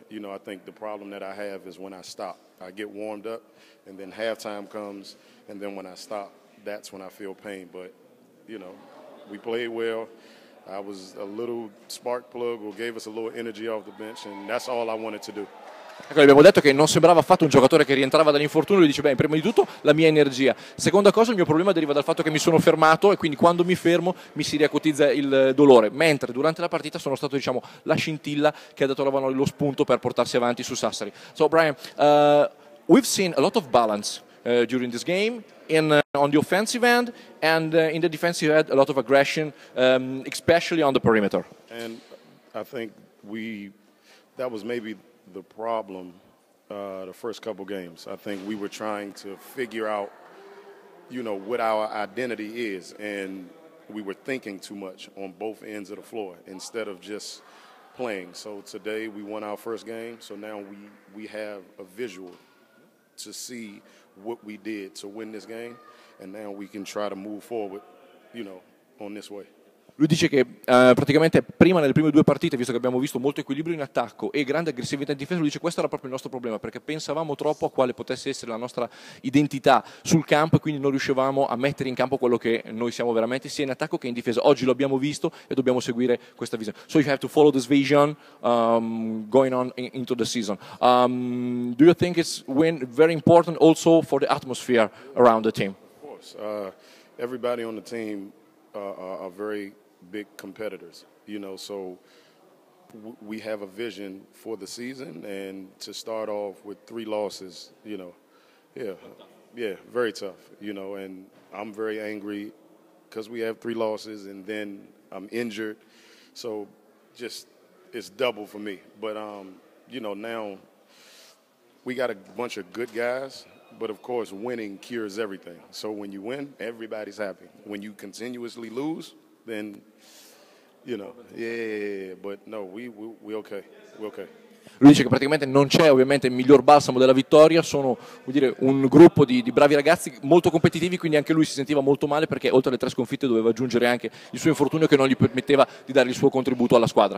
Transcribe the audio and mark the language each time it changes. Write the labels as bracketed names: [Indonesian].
[English] You know, I think the problem that I have is when I stop. I get warmed up, and then halftime comes, and then when I stop, that's when I feel pain. But, you know, we played well. I was a little spark plug or gave us a little energy off the bench, and that's all I wanted to do. [Italian] Ecco, abbiamo detto che non sembrava affatto un giocatore che rientrava dall'infortunio. Lui dice: beh, prima di tutto la mia energia, seconda cosa, il mio problema deriva dal fatto che mi sono fermato, e quindi quando mi fermo mi si riacutizza il dolore, mentre durante la partita sono stato, diciamo, la scintilla che ha dato la mano, lo spunto per portarsi avanti su Sassari. [English] So Brian, we've seen a lot of balance during this game on the offensive end, and in the defensive end a lot of aggression, especially on the perimeter. And I think that was maybe the problem the first couple games. I think we were trying to figure out, you know, what our identity is, and we were thinking too much on both ends of the floor instead of just playing. So today we won our first game, so now we have a visual to see what we did to win this game, and now we can try to move forward, you know, on this way. [Italian] Lui dice che praticamente prima, nelle prime due partite, visto che abbiamo visto molto equilibrio in attacco e grande aggressività in difesa, lui dice questo era proprio il nostro problema, perché pensavamo troppo a quale potesse essere la nostra identità sul campo, e quindi non riuscivamo a mettere in campo quello che noi siamo veramente, sia in attacco che in difesa. Oggi lo abbiamo visto e dobbiamo seguire questa visione. [English] So you have to follow this vision going on into the season. Do you think it's very important also for the atmosphere around the team? Of course. Everybody on the team are very big competitors, you know, so we have a vision for the season, and to start off with 3 losses, you know, yeah, very tough, you know, and I'm very angry because we have 3 losses and then I'm injured, so just it's double for me. But, you know, now we got a bunch of good guys. But of course, winning cures everything. So when you win, everybody's happy. When you continuously lose, then, you know, but no, we're okay. [Italian] Lui dice che praticamente non c'è ovviamente il miglior balsamo della vittoria, sono, vuol dire, un gruppo di bravi ragazzi molto competitivi, quindi anche lui si sentiva molto male perché oltre alle 3 sconfitte doveva aggiungere anche il suo infortunio che non gli permetteva di dare il suo contributo alla squadra.